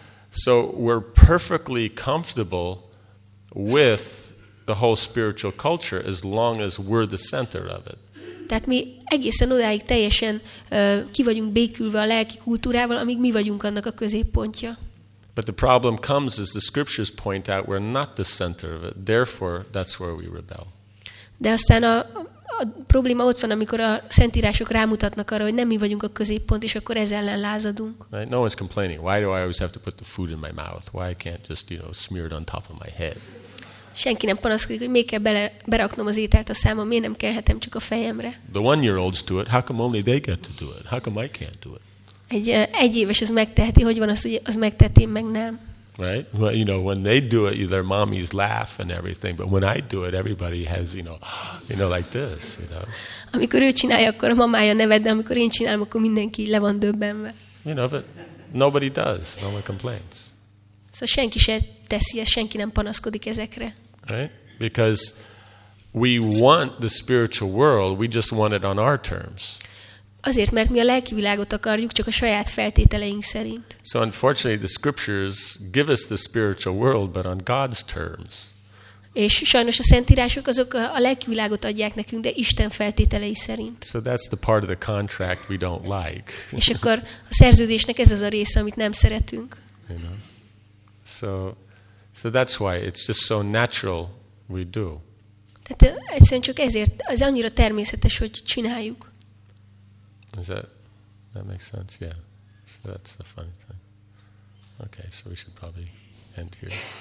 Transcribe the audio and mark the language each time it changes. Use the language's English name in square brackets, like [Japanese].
[English] So we're perfectly comfortable with the whole spiritual culture as long as we're the center of it. [Hungarian] Tehát mi egészen odáig teljesen ki vagyunk békülve a lelki kultúrával, amíg mi vagyunk annak a középpontja. [English] But the problem comes as the scriptures point out we're not the center of it. Therefore, that's where we rebel. [Hungarian] De aztán a probléma ott van, amikor a szentírások rámutatnak arra, hogy nem mi vagyunk a középpont, és akkor ez ellen lázadunk. [English] Right? No one's complaining. Why do I always have to put the food in my mouth? Why I can't just, you know, smear it on top of my head? [Hungarian] Senki nem panaszkodik, hogy miért kell beraknom az ételt a számom, miért nem kelhetem csak a fejemre. [English] The 1-year-olds do it. How come only they get to do it? How come I can't do it? [Hungarian] Egy éves az megteheti, hogy van az, hogy az megteheti, meg nem. [English] Right? Well, you know, when they do it, their mommies laugh and everything, but when I do it, everybody has, you know, like this, you know. [Hungarian] Amikor ő csinálja, akkor a mamája neved, de amikor én csinálom, akkor mindenki le van döbbenve. [English] You know, but nobody does. No one complains. [Hungarian] So senki se teszi ezt, senki nem panaszkodik ezekre. [English] Right? Because we want the spiritual world, we just want it on our terms. [Hungarian] Azért, mert mi a lelki világot akarjuk, csak a saját feltételeink szerint. [English] So unfortunately, the scriptures give us the spiritual world, but on God's terms. [Hungarian] És sajnos a szentírások azok a lelki világot adják nekünk, de Isten feltételei szerint. [English] So that's the part of the contract we don't like. [Hungarian] És akkor a szerződésnek ez az a része, amit nem szeretünk. [English] You know? So that's why it's just so natural we do. [Hungarian] Tehát egyszerűen csak ezért, az annyira természetes, hogy csináljuk. [English] Is that makes sense? Yeah. So that's the funny thing. Okay, so we should probably end here.